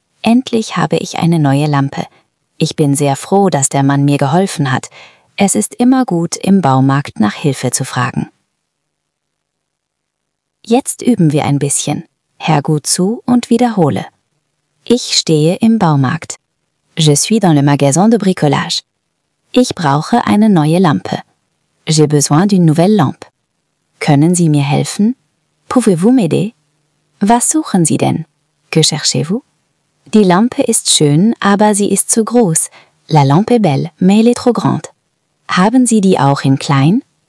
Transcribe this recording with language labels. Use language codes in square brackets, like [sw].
[de] Endlich habe ich eine neue Lampe. Ich bin sehr froh, dass der Mann mir geholfen hat. Es ist immer gut, im Baumarkt nach Hilfe zu fragen. Jetzt üben wir ein bisschen. Hör gut zu und wiederhole. Ich stehe im Baumarkt. [fr] Je suis dans le magasin de bricolage. [de] Ich brauche eine neue Lampe. [fr] J'ai besoin d'une nouvelle lampe. [de] Können Sie mir helfen? [fr] Pouvez-vous m'aider? [de] Was suchen Sie denn? [fr] Que cherchez-vous? [de] Die Lampe ist schön, aber sie ist zu groß. [fr] La lampe est belle, mais elle est trop grande. [de] Haben Sie die auch in klein?